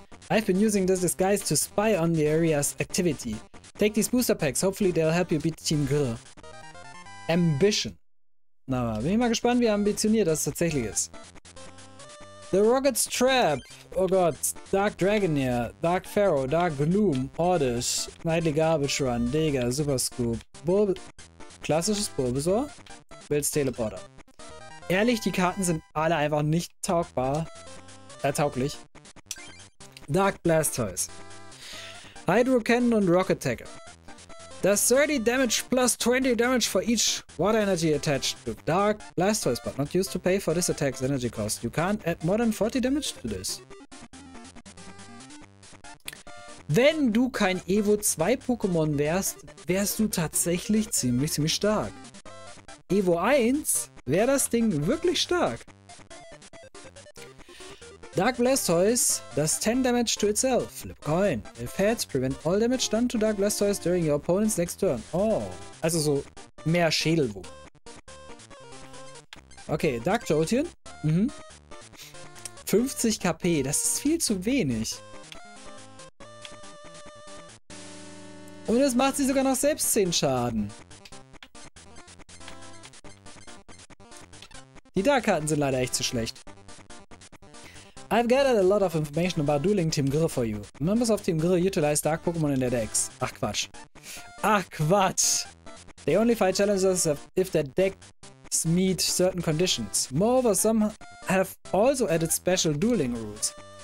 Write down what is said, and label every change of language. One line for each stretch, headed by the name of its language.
English: I've been using this disguise to spy on the area's activity. Take these booster packs. Hopefully they'll help you beat Team Gr. Ambition.
German: Na, bin ich mal gespannt, wie ambitioniert das tatsächlich ist.
English: The Rocket's Trap.
German: Oh Gott.
English: Dark Dragonair. Dark Pharaoh. Dark Gloom. Ordis. Nightly Garbage Run. Dega. Super Scoop. Klassisches Bulbasaur. Bills Teleporter.
German: Ehrlich, die Karten sind alle einfach nicht taugbar. Tauglich. Dark Blastoise.
English: Hydro Cannon und Rocket Tackle. Does 30 damage plus 20 damage for each water energy attached to Dark Blastoise, but not used to pay for this attack's energy cost. You can't add more than 40 damage to this.
German: Wenn du kein Evo 2 Pokémon wärst, wärst du tatsächlich ziemlich, ziemlich stark. Evo 1 wäre das Ding wirklich stark.
English: Dark Blastoise does 10 damage to itself. Flip coin. If heads, prevent all damage done to Dark Blastoise during your opponent's next turn.
German: Oh, also so mehr Schädelwurm. Okay, Dark Jolteon. Mhm. 50 KP, das ist viel zu wenig. Und es macht sie sogar noch selbst 10 Schaden. Die Dark-Karten sind leider echt zu schlecht.
English: I've gathered a lot of information about Dueling Team Gr for you. Members of Team Gr utilize Dark Pokémon in their decks.
German: Ach Quatsch. Ach Quatsch!
English: They only fight challenges if their decks meet certain conditions. Moreover, some have also added special Dueling rules.